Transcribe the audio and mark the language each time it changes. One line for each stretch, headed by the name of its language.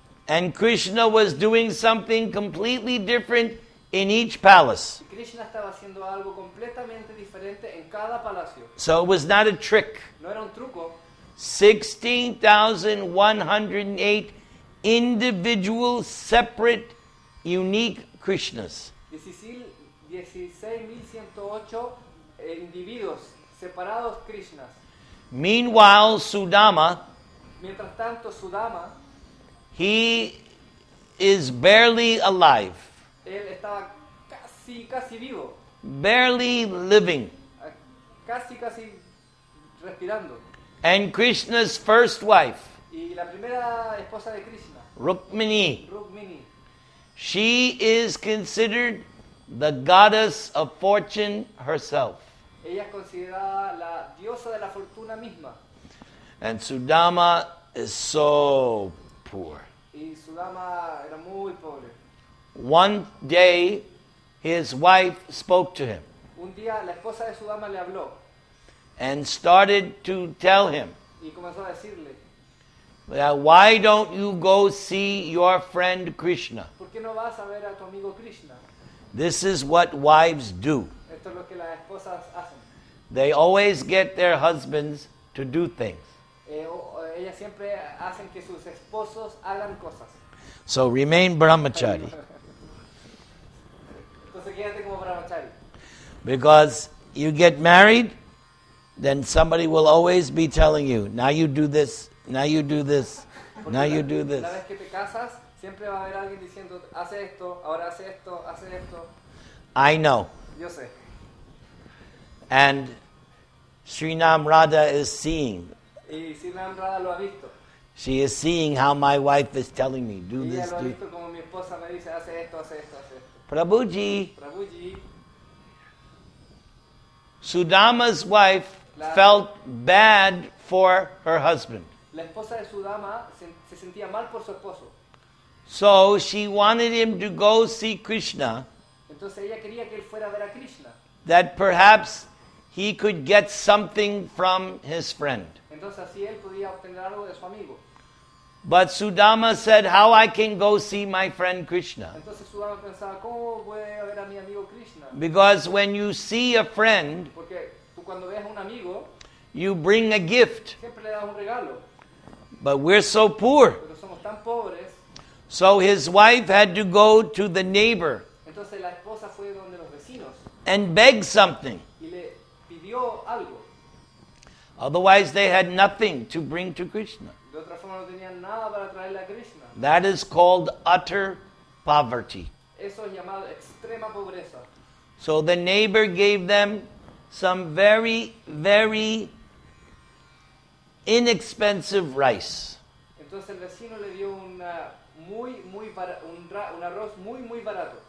English: And Krishna was doing something completely different in each palace.
Spanish: Krishna estaba haciendo algo completamente diferente en cada palacio.
English: So it was not a trick.
Spanish: No era un truco.
English: 16,108 individual, separate, unique Krishnas.
Spanish: 16,108 individuos, separados Krishnas.
English: Meanwhile, Sudama,
Spanish: mientras tanto, Sudama,
English: he is barely alive.
Spanish: Él estaba casi vivo.
English: Barely living.
Spanish: Casi respirando.
English: And Krishna's first wife,
Spanish: y la primera esposa de Krishna, Rukmini.
English: She is considered the goddess of fortune herself.
Spanish: Ella es considerada la diosa de la fortuna misma.
English: And Sudama is so poor.
Spanish: Y Sudama era muy pobre.
English: One day, his wife spoke to him.
Spanish: Un día, la esposa de su dama le habló.
English: And started to tell him.
Spanish: Y comenzó a decirle.
English: Now, why don't you go see your friend Krishna?
Spanish: ¿Por qué no vas a ver a tu amigo Krishna?
English: This is what wives do.
Spanish: Esto es lo que las esposas hacen.
English: They always get their husbands to do things.
Spanish: Ellas siempre hacen que sus esposos hagan cosas.
English: So remain brahmachari.
Spanish: Entonces, quédate como brahmachari.
English: Because you get married, then somebody will always be telling you, now you do this. Now you do this. Now you do this.
Spanish: La vez que te casas, siempre va a haber alguien diciendo, haz esto, ahora haz esto, haz esto.
English: I know.
Spanish: Yo sé.
English: And Srinam Radha is seeing.
Spanish: Y Srinam Radha lo ha visto.
English: She is seeing how my wife is telling me, do this, do.
Spanish: Y ella lo ha visto como mi esposa me dice, haz esto, haz esto, haz esto. Prabhuji. Prabhuji.
English: Sudama's wife felt bad for her husband.
Spanish: La esposa de su dama se sentía mal por su esposo.
English: So she wanted him to go see Krishna.
Spanish: Entonces ella quería que él fuera a ver a Krishna.
English: That perhaps he could get something from his friend.
Spanish: Entonces así él podía obtener algo de su amigo.
English: But Sudama said, how I can go see my friend Krishna?
Spanish: Entonces Sudama pensaba, ¿cómo voy a ver a mi amigo Krishna?
English: Because when you see a friend,
Spanish: porque tú cuando ves a un amigo,
English: you bring a gift.
Spanish: Siempre le das un regalo.
English: But we're so poor.
Spanish: Pero somos tan pobres.
English: So his wife had to go to the neighbor.
Spanish: Entonces la esposa fue donde los vecinos.
English: And beg something.
Spanish: Y le pidió algo.
English: Otherwise they had nothing to bring to Krishna.
Spanish: De otra forma no tenían nada para traerle a Krishna.
English: That is called utter poverty.
Spanish: Eso es llamado extrema pobreza.
English: So the neighbor gave them some very, very inexpensive rice.
Spanish: Entonces el vecino le dio un arroz muy muy barato.